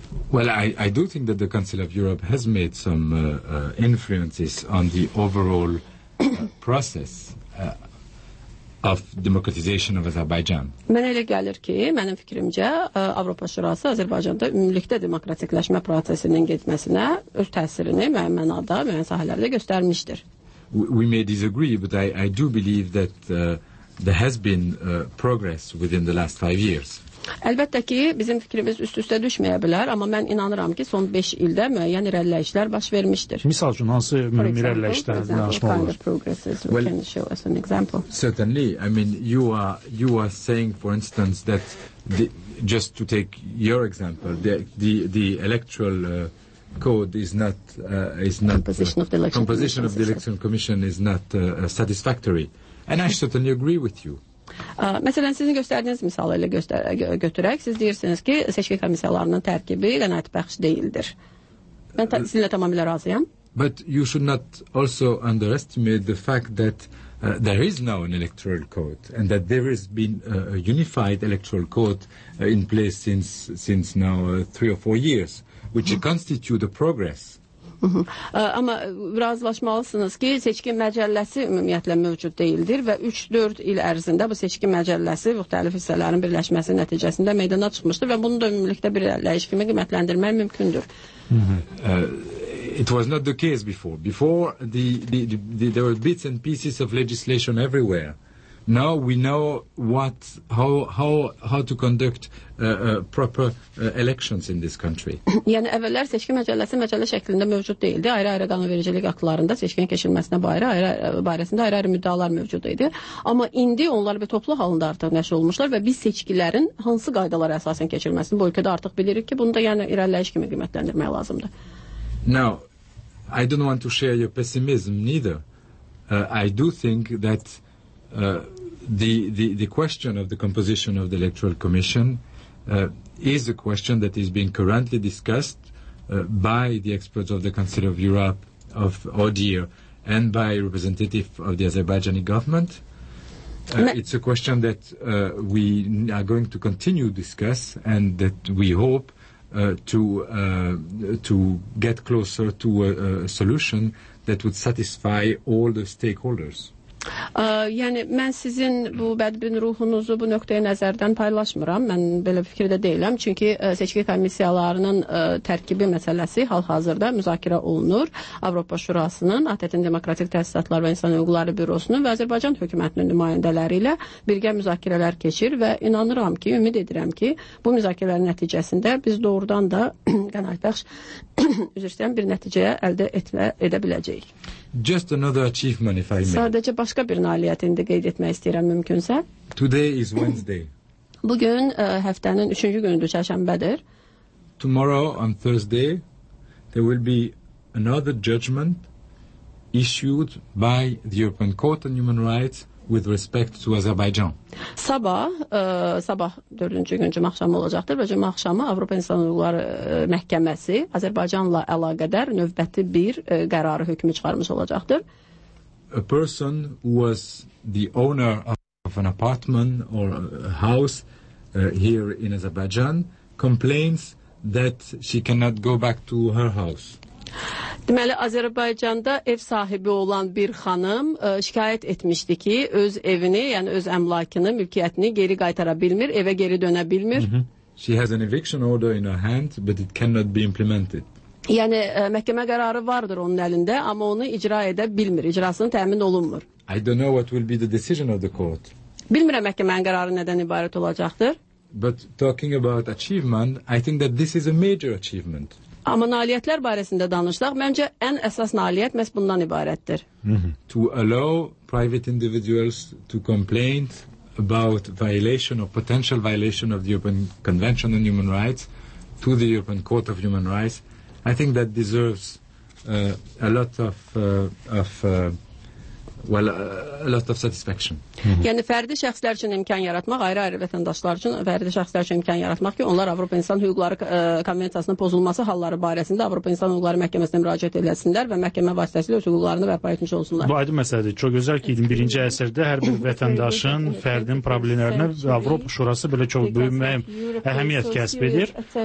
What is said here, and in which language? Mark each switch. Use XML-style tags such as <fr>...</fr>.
<en>Well, I do think that the Council of Europe has made some influences on the overall process of democratization of Azerbaijan.</en> <az>Mənə elə gəlir ki, mənim fikrimcə Avropa Şurası Azərbaycanda ümumilikdə demokratikləşmə prosesinin getməsinə öz təsirini müəyyən mənada, müəyyən sahələrdə göstərmişdir.</az> <en>We may disagree, but I do believe that there has been progress within the last 5 years.</en> <az>Əlbəttə ki, bizim fikrimiz üst-üstə düşməyə bilər, amma mən inanıram ki, son 5 ildə müəyyən irəliləyişlər baş vermişdir. Misal üçün, hansı mühüm irəliləyişlər danışmaq olar?</az> <en>Well, can you show us an example? Certainly. I mean, you are saying, for instance, that the, just to take your example, the electoral code is not composition of the election commission is not satisfactory. And I certainly agree with you.</en> <az>Məsələn, sizin göstərdiyiniz misalı ilə götürək, siz deyirsiniz ki, seçki komissiyalarının tərkibi qənaət bəxş deyildir. Mən sizinlə tamamilə razıyam.</az> <en>But you should not also underestimate the fact that there is now an electoral code and that there has been a unified electoral code in place since now 3 or 4 years, which constitute a progress.</en> <az>Amma razılaşmalısınız ki, seçki məcəlləsi ümumiyyətlə mövcud deyildir və 3-4 il ərzində bu seçki məcəlləsi müxtəlif hissələrin birləşməsi nəticəsində meydana çıxmışdır və bunu da ümumilikdə bir ləyiş kimi qiymətləndirmək mümkündür.</az> <en>It was not the case before. Before, there were bits and pieces of legislation everywhere. Now we know what how to conduct proper elections in this country.</en> <az>Yəni əvvəllər seçki məcəlləsi məcəllə şəklində mövcud deyildi. Ayrı-ayrı qanunvericilik aktlarında seçkinin keçirilməsinə barəsində ayrı-ayrı müddəalar mövcud idi. Amma indi onlar bir toplu halında artıq nəşr olmuşlar və biz seçkilərin hansı qaydalara əsasən keçirilməsini bu ölkədə artıq bilirik ki, bunu da yəni irəliləyiş kimi qiymətləndirmək lazımdır.</az> <en>Now, I don't want to share your pessimism neither. I do think that the question of the composition of the Electoral Commission is a question that is being currently discussed by the experts of the Council of Europe of ODIHR and by representative of the Azerbaijani government. It's a question that we are going to continue discuss and that we hope to get closer to a solution that would satisfy all the stakeholders.</en> <az>Yəni, mən sizin bu bədbin ruhunuzu bu nöqtəyə nəzərdən paylaşmıram. Mən belə bir fikirdə deyiləm. Çünki seçki komissiyalarının tərkibi məsələsi hal-hazırda müzakirə olunur. Avropa Şurasının, ATƏT-in Demokratik Təsisatlar və İnsan Hüquqları Bürosunun və Azərbaycan hökumətinin nümayəndələri ilə birgə müzakirələr keçir və inanıram ki, ümid edirəm ki, bu müzakirələrin nəticəsində biz doğrudan da qənaətbəxş üzr istəyən bir nəticəyə əldə edə biləcəyik.</az> <en>just another achievement, if I may.</en> <tr>Sadece başka bir</tr> <az>nailiyyətini qeyd etmək istəyirəm, mümkünsə.</az> <en>Today is Wednesday.</en> <az>Bugün həftənin üçüncü günüdür, çərşənbədir.</az> <en>Tomorrow, on Thursday, there will be another judgment issued by the European Court on Human Rights with respect to Azerbaijan.</en> <az>Sabah 4-cü gün cümə axşamı olacaqdır və cümə axşamı Avropa İnsan Hüquqları Məhkəməsi Azərbaycanla əlaqədar növbəti bir qərarı hökmü çıxarmış olacaqdır.</az> <en>A person who was the owner of an apartment or a house here in Azerbaijan complains that she cannot go back to her house.</en> <az>Deməli, Azərbaycanda ev sahibi olan bir xanım şikayət etmişdi ki, öz evini, yəni öz əmlakını, mülkiyyətini geri qaytara bilmir, evə geri dönə bilmir. Mm-hmm.</az> <en>She has an eviction order in her hand, but it cannot be implemented.</en> <az>Yəni, məhkəmə qərarı vardır onun əlində, amma onu icra edə bilmir, icrasının təmin olunmur.</az> <en>I don't know what will be the decision of the court.</en> <az>Bilmirəm məhkəmənin qərarı nədən ibarət olacaqdır.</az> <en>But talking about achievement, I think that this is a major achievement.</en> <az>Amma nailiyyətlər barəsində danışsaq, məncə ən əsas nailiyyət məhz bundan ibarətdir.</az> <en>To allow private individuals to complain about violation or potential violation of the European Convention on Human Rights to the European Court of Human Rights, I think that deserves a lot of satisfaction.</en> <az>Yəni fərdi şəxslər üçün imkan yaratmaq, ayrı-ayrı vətəndaşlar üçün fərdi şəxslər üçün imkan yaratmaq ki, onlar Avropa İnsan Hüquqları Konvensiyasının pozulması halları barəsində Avropa İnsan Hüquqları Məhkəməsinə müraciət etsinlər və məhkəmə vasitəsilə öz hüquqlarını bərpa etmiş olsunlar. Bu aydın məsələdir. Çox gözəl ki, 21-ci əsrdə hər bir vətəndaşın fərdin problemlərinə Avropa Şurası belə çox böyük əhəmiyyət kəsb edir.</az>